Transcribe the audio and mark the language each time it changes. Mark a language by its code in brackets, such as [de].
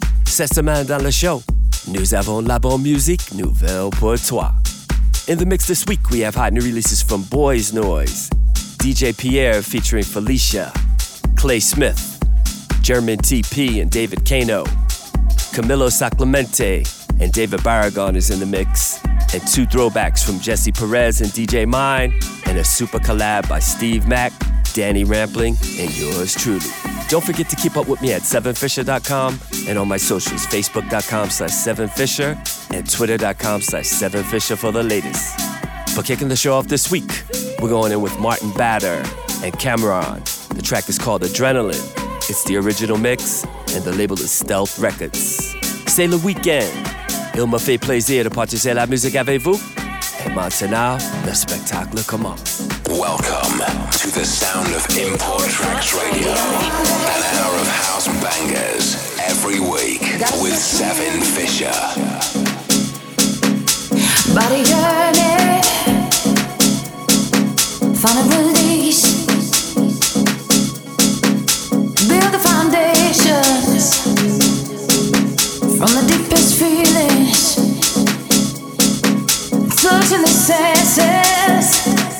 [fr] Cette semaine dans le show, nous avons la bonne musique nouvelle pour toi. [en] In the mix this week, we have hot new releases from Boys Noise, DJ Pierre featuring Felicia, Clay Smith, German TP and David Kano, Camilo Sacramente and David Barragon is in the mix, and two throwbacks from Jesse Perez and DJ Mine, and a super collab by Steve Mack, Danny Rampling, and yours truly. Don't forget to keep up with me at 7fisher.com and on my socials, facebook.com/7fisher and twitter.com/7fisher for the latest. For kicking the show off this week, we're going in with Martin Batter and Cameron. The track is called Adrenaline. It's the original mix, and the label is Stealth Records. [fr] C'est le weekend. Il me fait plaisir de partager la musique avec vous. Et maintenant, le spectacle commence. [en] Welcome to the sound of Import Tracks Radio, an hour of house bangers every week with Seven Fisher. Body yearning, find a release, build the foundations from the deepest feelings, searching the senses.